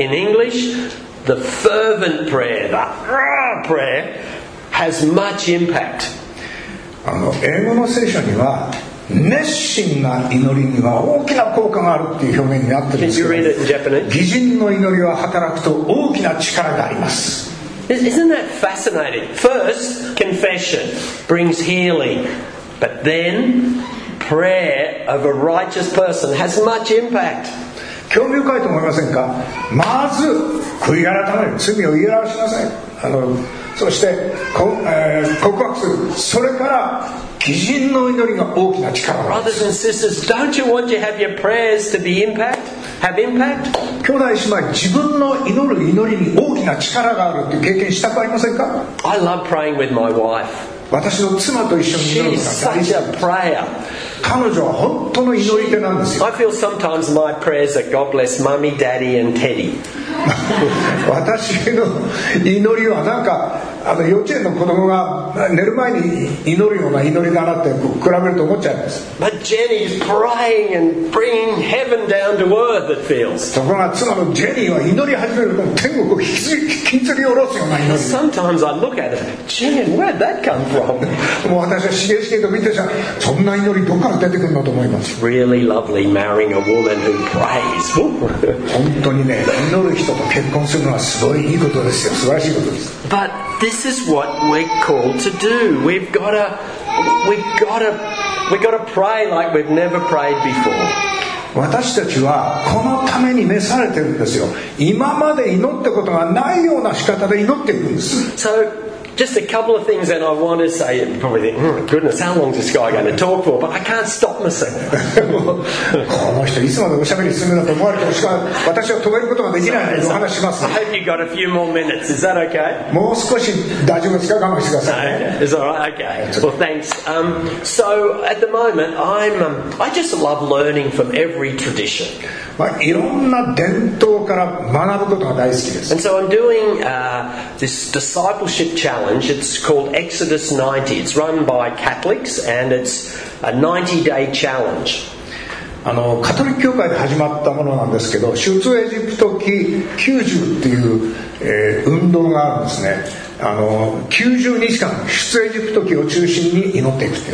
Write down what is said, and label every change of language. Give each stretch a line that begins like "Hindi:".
English: In English, the fervent prayer, the raw prayer, has much impact.
Japanese: あの英語の聖書には熱心な祈りには大きな効果があるっていう表現になってるんですけど。
English: Can you read it in Japanese?
Japanese: 義人の祈りは働くと大きな力があります。
English: Isn't that fascinating? First, confession brings healing, but then prayer of a righteous person has much impact.
Japanese: 興味深いと思いませんか。まず悔い改める、罪を言い表しなさい。あのそして、告白する。それから義人の祈りが大きな力があります。
English: Brothers and sisters, don't you want to have your prayers to be impact? Have impact?
Japanese: 兄弟姉妹、自分の祈る祈りに大きな力があるって経験したくありませんか。
English: I love praying with my wife.
Japanese: 私の妻と一緒に祈るのが大事なんです。彼女は本当の祈り手なんですよ。
English: I feel sometimes my prayers are God bless mommy, daddy and Teddy.
Japanese: 私の祈りはなんかあの幼稚園の子供が寝る前に祈るような祈りだなって比べると思っちゃいます。
English: But Jenny is praying and bringing heaven down to earth, it feels.
Japanese: ところが妻のジェニーは祈り始めると天国を引きずり下ろすような祈り。
English: Sometimes I look at her, Jenny, where'd that come from?
Japanese: もう私はしげしげと見てさ、そんな祈りどこから出てくるのと思います。
English: It's really lovely marrying a woman who prays.
Japanese: 本当にね、祈る人と結婚するのはすごいいいことですよ。素晴らしいことです。
English: ButThis is what we're called to do. We've got to pray like we've never prayed before.
Japanese: 私たちはこのために召されてるんですよ。今まで祈ったことがないような仕方で祈っていくんです。
English: So, just a couple of things that I want to say. Probably think, goodness, how long is this guy going to talk for? But I can't stop myself.
Japanese: この人いつまでおしゃべりするんだと思われてもしか私は止めることができないので、お話します。
English: I hope you got a few more minutes. Is that okay?
Japanese: もう少し大丈夫ですか？我慢してください。
English: Is that right? Okay. Well, thanks. So at the moment, I just love learning from every tradition.
Japanese: まあ、いろんな伝統から学ぶことが大好きです。
English: And so I'm doing this discipleship challenge. It's called Exodus 90. It's run by Catholics, and it's a 90-day challenge.
Japanese: あのカトリック教会で始まったものなんですけど、出エジプト記90っていう、運動があるんですね。あの90日間出エジプト記を中心に祈っていくっていう。